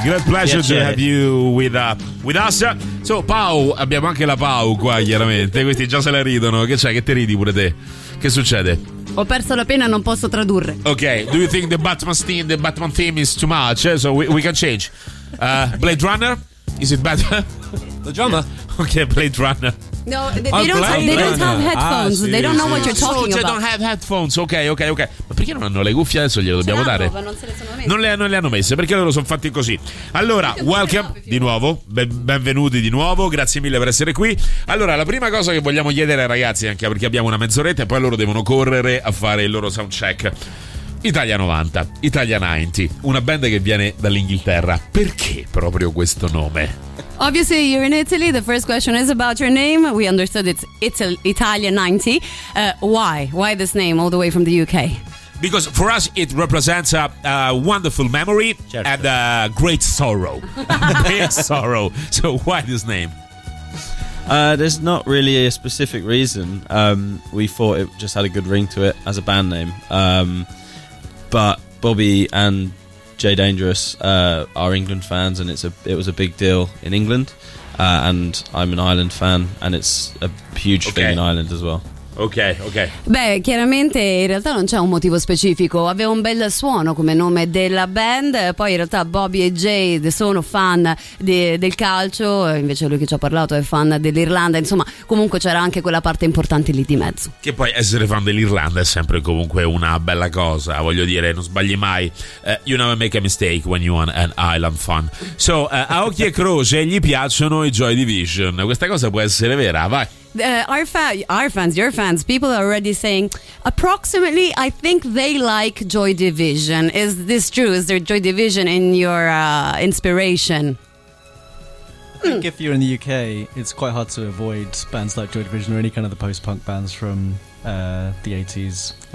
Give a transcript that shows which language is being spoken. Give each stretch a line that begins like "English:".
English: Great pleasure piacere. To have you with us.
Italian: So, Pau, abbiamo anche la Pau qua, chiaramente. Questi già se la ridono. Che c'è? Che te ridi pure te? Che succede? Ho perso la pena, non posso tradurre.
English: Ok, do you think the Batman theme is too much? So we can change. Blade Runner? Is it better? The drama? Ok, Blade Runner. No, they don't have headphones. Ah, sì, they don't know what you're talking about. So, they don't have headphones. Ok, ok, ok.
Italian: Ma perché non hanno le cuffie? Adesso glielo dobbiamo dare. Ma non se le sono messe. Non le hanno messe, perché loro sono fatti così. Allora, welcome di nuovo. Benvenuti di nuovo. Grazie mille per essere qui. Allora, la prima cosa che vogliamo chiedere ai ragazzi, anche perché abbiamo una mezz'oretta e poi loro devono correre a fare il loro sound check. Italia 90, Italia 90, una band che viene dall'Inghilterra. Perché proprio questo nome?
English: Obviously, you're in Italy. The first question is about your name. We understood it's Italia 90. Why? Why this name all the way from the UK? Because for us it represents a wonderful memory,
Italian: certo,
English: and a great sorrow. Big sorrow. So why this name? There's not really a specific reason. We thought it just had a good ring to it as a band name. But Bobby and Jay Dangerous are England fans, and it was a big deal in England. And I'm an Ireland fan, and it's a huge thing in Ireland as well. Ok, ok.
Italian: Beh, chiaramente in realtà non c'è un motivo specifico. Aveva un bel suono come nome della band. Poi in realtà Bobby e Jay sono fan del calcio. Invece lui che ci ha parlato è fan dell'Irlanda. Insomma, comunque c'era anche quella parte importante lì di mezzo. Che poi essere fan dell'Irlanda è sempre comunque una bella cosa. Voglio dire, non sbagli mai.
English: You never make a mistake when you are an Ireland fan.
Italian: So, a occhi e croce gli piacciono i Joy Division. Questa cosa può essere vera, vai.
English: Our fans, people are already saying, approximately, I think they like Joy Division. Is this true? Is there Joy Division in your inspiration? I think if you're in the UK, it's quite hard to avoid bands like Joy Division or any kind of the post-punk bands from the 80s.